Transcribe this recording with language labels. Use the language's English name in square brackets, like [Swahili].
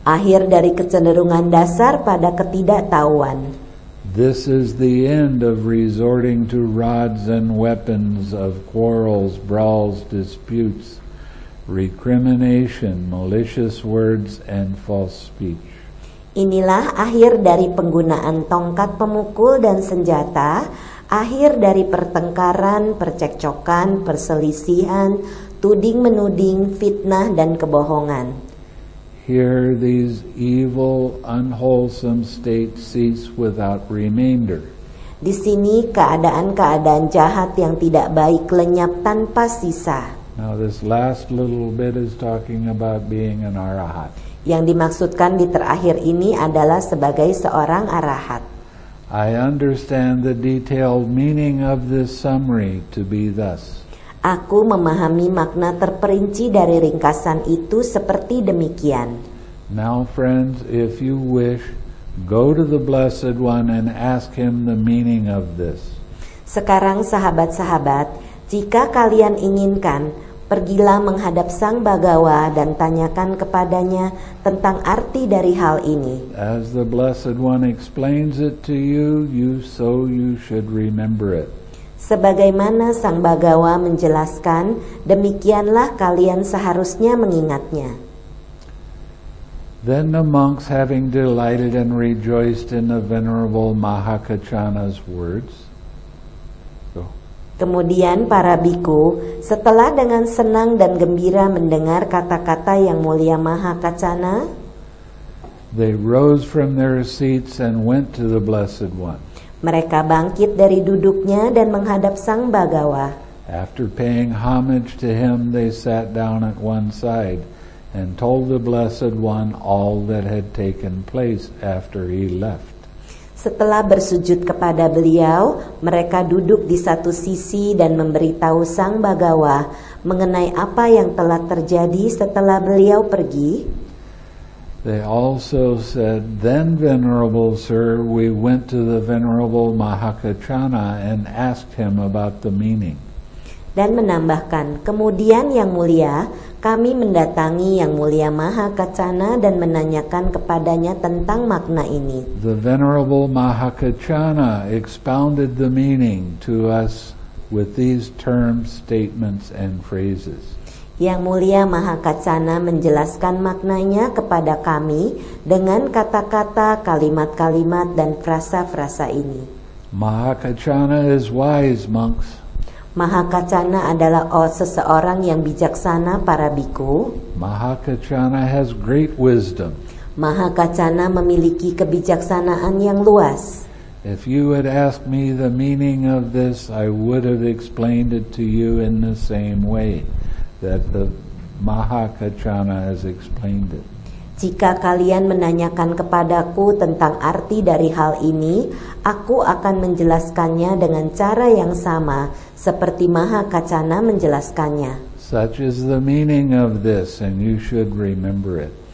[Indonesian] Akhir dari kecenderungan dasar pada ketidaktahuan. [English] This is the end of resorting to rods and weapons of quarrels, brawls, disputes, recrimination, malicious words, and false speech. [Indonesian] Inilah akhir dari penggunaan tongkat pemukul dan senjata, akhir dari pertengkaran, percekcokan, perselisihan, tuding-menuding, fitnah, dan kebohongan. [English] Here these evil, unwholesome states cease without remainder. [Indonesian] Di sini keadaan-keadaan jahat yang tidak baik lenyap tanpa sisa. [English] Now this last little bit is talking about being an arahat. [Indonesian] Yang dimaksudkan di terakhir ini adalah sebagai seorang arahat. [English] I understand the detailed meaning of this summary to be thus. [Indonesian] Aku memahami makna terperinci dari ringkasan itu seperti demikian. [English] Now friends, if you wish, go to the Blessed One and ask him the meaning of this. [Indonesian] Sekarang sahabat-sahabat, jika kalian inginkan, pergilah menghadap Sang Bhagawa dan tanyakan kepadanya tentang arti dari hal ini. [English] As the Blessed One explains it to you, you should remember it. [Indonesian] Sebagaimana Sang Bhagawa menjelaskan, demikianlah kalian seharusnya mengingatnya. [English] Then the monks, having delighted and rejoiced in the venerable Mahakacana's words. [Indonesian] Kemudian para bhikkhu, setelah dengan senang dan gembira mendengar kata-kata yang mulia Mahakacana, [English] they rose from their seats and went to the Blessed One. [Indonesian] Mereka bangkit dari duduknya dan menghadap Sang Bhagawa. [English] After paying homage to him, they sat down at one side and told the Blessed One all that had taken place after he left. [Indonesian] Setelah bersujud kepada beliau, mereka duduk di satu sisi dan memberitahu Sang Bhagawa mengenai apa yang telah terjadi setelah beliau pergi. [English] They also said, "Then, venerable sir, we went to the venerable Mahakacana and asked him about the meaning." [Indonesian] Dan menambahkan, "Kemudian yang mulia, kami mendatangi yang mulia Mahakacana dan menanyakan kepadanya tentang makna ini." [English] The venerable Mahakacana expounded the meaning to us with these terms, statements, and phrases. [Indonesian] Yang mulia Mahakacana menjelaskan maknanya kepada kami dengan kata-kata, kalimat-kalimat, dan frasa-frasa ini. [English] Mahakacana is wise, monks. [Indonesian] Mahakacana adalah seseorang yang bijaksana, para bhikkhu. [English] Mahakacana has great wisdom. [Indonesian] Mahakacana memiliki kebijaksanaan yang luas. [English] If you had asked me the meaning of this, I would have explained it to you in the same way that the Mahakacana has explained it. [Indonesian] Jika kalian menanyakan kepadaku tentang arti dari hal ini, aku akan menjelaskannya dengan cara yang sama seperti Mahakacana menjelaskannya. [English] Such is the meaning of this, and you should remember it.